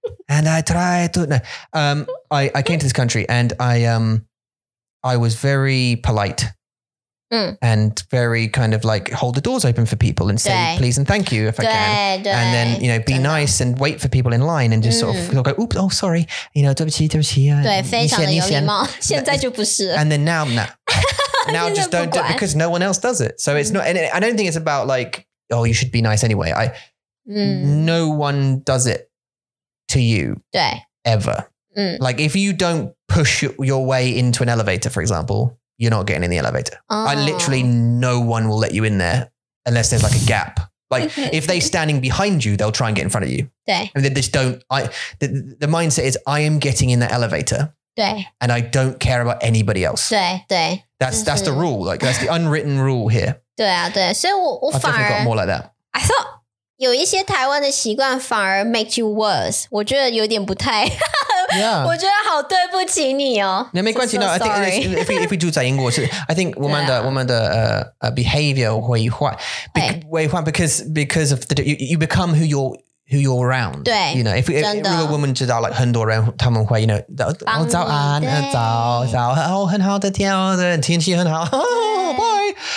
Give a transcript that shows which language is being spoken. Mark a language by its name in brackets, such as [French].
[English] And I tried to, I came to this country and I was very polite and very kind of like hold the doors open for people and say please and thank you if I can. And then, you know, be nice and wait for people in line and just sort of go, oops, oh, sorry. You know, [Chinese] 对不起. 对，非常的有礼貌。现在就不是。 [English] And then now, nah. Now just don't do it because no one else does it. So it's not, and I don't think it's about like, oh, you should be nice anyway. No one does it to you ever. Like if you don't push your way into an elevator, for example, you're not getting in the elevator. Oh. I literally, no one will let you in there unless there's like a gap. Like if they're standing behind you, they'll try and get in front of you. And they just don't, the mindset is I am getting in the elevator. And I don't care about anybody else. [Chinese] 对, [English] that's the rule. Like that's the unwritten rule here. [Chinese] 对啊，对，所以我反而 [English] got more like that. I thought [Chinese] 有一些台湾的习惯反而 [English] make you worse. [Chinese] 我觉得有点不太 我觉得好对不起你哦。那没关系, [English] so, no, I think if we [Chinese] 住在英国, [English] I think [Chinese] 我们的 [English] behavior [Chinese] 会换, [English] because of the you become who you're. Who you're around. [Chinese] 对, [English] you know, if a woman just like [Chinese] 很多人他们会, [English] you know, [Chinese] 早安,早,很好的天气很好, [English] bye.